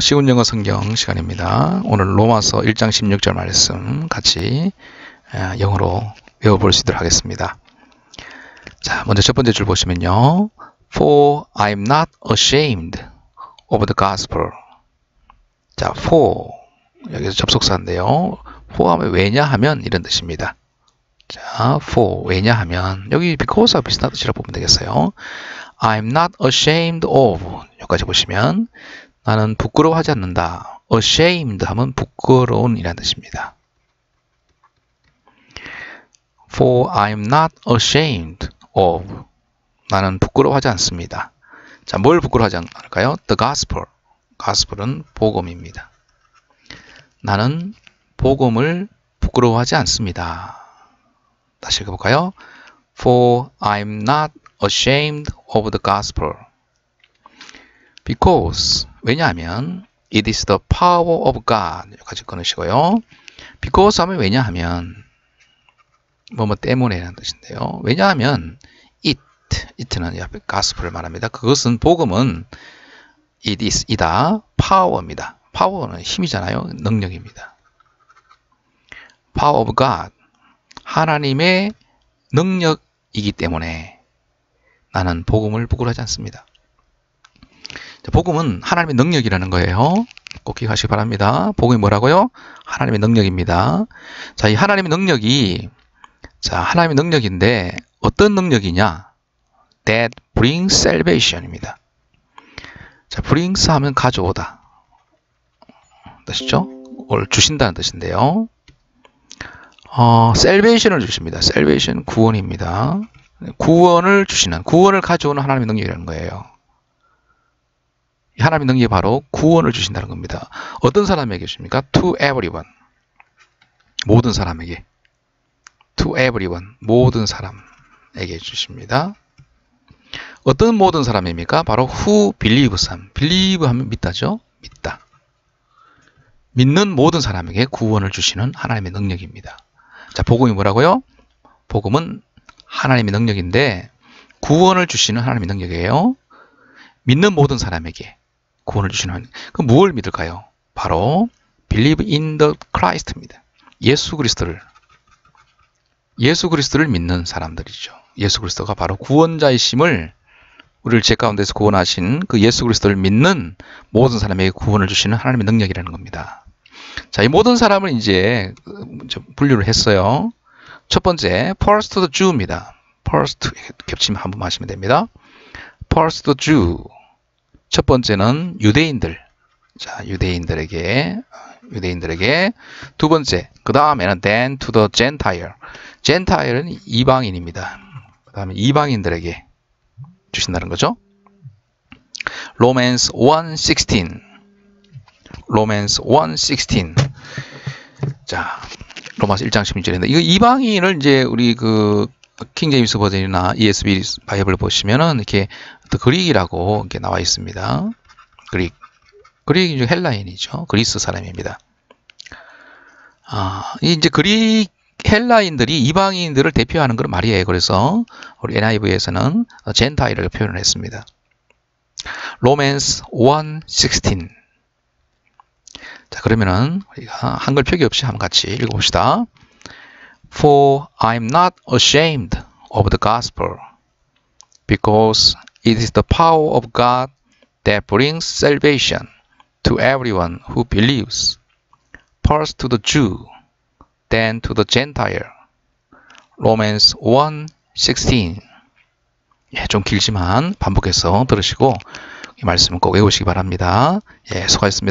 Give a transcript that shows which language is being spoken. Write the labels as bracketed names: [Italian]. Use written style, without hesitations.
[Korean] 쉬운 영어 성경 시간입니다. 오늘 로마서 1장 16절 말씀 같이 영어로 외워볼 수 있도록 하겠습니다. 자, 먼저 첫 번째 줄 보시면요. [English] For I'm not ashamed of the gospel. [Korean] 자, for 여기서 접속사인데요. for 하면 왜냐 하면 이런 뜻입니다. 자, for 왜냐 하면 여기 because와 비슷한 뜻이라고 보면 되겠어요. [English] I'm not ashamed of [Korean] 여기까지 보시면 나는 부끄러워하지 않는다. Ashamed 하면 부끄러운 이란 뜻입니다. [English] For I'm not ashamed of. [Korean] 나는 부끄러워하지 않습니다. 자, 뭘 부끄러워하지 않을까요? [English] The gospel. [Korean] gospel은 복음입니다. 나는 복음을 부끄러워하지 않습니다. 다시 읽어볼까요? [English] For I'm not ashamed of the gospel. Because, [Korean] 왜냐하면, [English] it is the power of God. [Korean] 여기까지 끊으시고요. Because 하면 왜냐하면, 뭐뭐 때문에라는 뜻인데요. 왜냐하면, it는 옆에 gospel을 말합니다. 그것은 복음은 it is, 이다, power입니다. power는 힘이잖아요. 능력입니다. power of God. 하나님의 능력이기 때문에 나는 복음을 부끄러워하지 않습니다. 복음은 하나님의 능력이라는 거예요. 꼭 기억하시기 바랍니다. 복음이 뭐라고요? 하나님의 능력입니다. 자, 이 하나님의 능력이, 자, 하나님의 능력인데, 어떤 능력이냐? [English] That brings salvation입니다. [Korean] 자, brings 하면 가져오다. 뜻이죠? 오늘 주신다는 뜻인데요. salvation을 주십니다. salvation, 구원입니다. 구원을 주시는, 구원을 가져오는 하나님의 능력이라는 거예요. 하나님의 능력이 바로 구원을 주신다는 겁니다. 어떤 사람에게 주십니까? [English] To everyone. [Korean] 모든 사람에게. [English] To everyone. [Korean] 모든 사람에게 주십니다. 어떤 모든 사람입니까? [English] 바로 who believes. [Korean] believe 하면 믿다죠? 믿다. 믿는 모든 사람에게 구원을 주시는 하나님의 능력입니다. 자, 복음이 뭐라고요? 복음은 하나님의 능력인데, 구원을 주시는 하나님의 능력이에요. 믿는 모든 사람에게. 구원을 주시는 그 무엇을 믿을까요? [English] 바로 believe in the Christ입니다. [Korean] 예수 그리스도를 믿는 사람들이죠. 예수 그리스도가 바로 구원자이심을 우리를 죄 가운데서 구원하신 그 예수 그리스도를 믿는 모든 사람에게 구원을 주시는 하나님의 능력이라는 겁니다. 자, 이 모든 사람을 이제 분류를 했어요. 첫 번째, [English] first to the Jew입니다. [Korean] first 겹치면 한 번만 하시면 됩니다. [English] first to Jew. [Korean] 첫 번째는 유대인들. 자, 유대인들에게. 두 번째, 그 다음에는 [English] then to the Gentile. [Korean] Gentile은 이방인입니다. 그 다음에 이방인들에게 주신다는 거죠. [English] Romans 1:16. Romans 1:16. [Korean] 자, 로마서 1장 16절인데, 이거 이방인을 이제 우리 그, 킹제임스 버전이나 ESV 바이블 보시면은 이렇게 더 그릭이라고 이렇게 나와 있습니다. 그릭이 이제 헬라인이죠. 그리스 사람입니다. 아, 이제 그릭 헬라인들이 이방인들을 대표하는 그런 말이에요. 그래서 우리 NIV에서는 젠타일을 표현을 했습니다. 로맨스 1:16. 자, 그러면은 우리가 한글 표기 없이 한번 같이 읽어봅시다. [English] For I'm not ashamed of the gospel, because it is the power of God that brings salvation to everyone who believes. First to the Jew, then to the Gentile. Romans 1:16. [Korean] 예, 좀 길지만 반복해서 들으시고 이 말씀 꼭 외우시기 바랍니다. 예, 수고하셨습니다.